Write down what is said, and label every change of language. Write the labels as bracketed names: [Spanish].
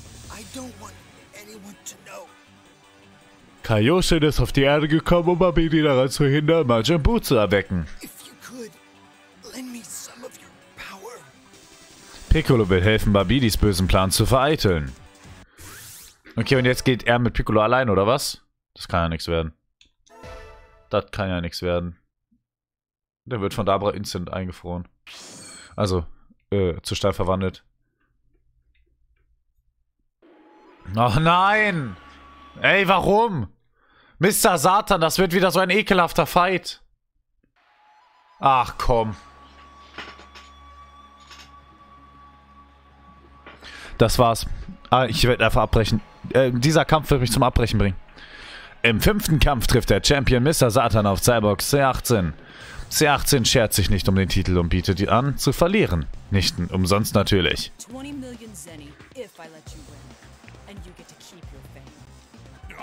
[English] I don't want anyone to know. [German] Kaioshin ist auf die Erde gekommen, um Amini daran zu hindern, Majin Buu zu erwecken. [English] If you could, lend me some of your power. [German] Piccolo will helfen, Babidis bösen Plan zu vereiteln. Okay, und jetzt geht er mit Piccolo allein, oder was? Das kann ja nichts werden. Das kann ja nichts werden. Der wird von Dabra instant eingefroren. Also, zu Stein verwandelt. Ach nein! Ey, warum? Mr. Satan, das wird wieder so ein ekelhafter Fight. Ach komm. Das war's. Ah, ich werde einfach abbrechen. Dieser Kampf wird mich zum Abbrechen bringen. Im fünften Kampf trifft der Champion Mr. Satan auf Cyborg C18. C18 schert sich nicht um den Titel und bietet ihn an, zu verlieren. Nicht umsonst natürlich. 20 Millionen Zenny, [English] if I let you win. And you get to keep your fame.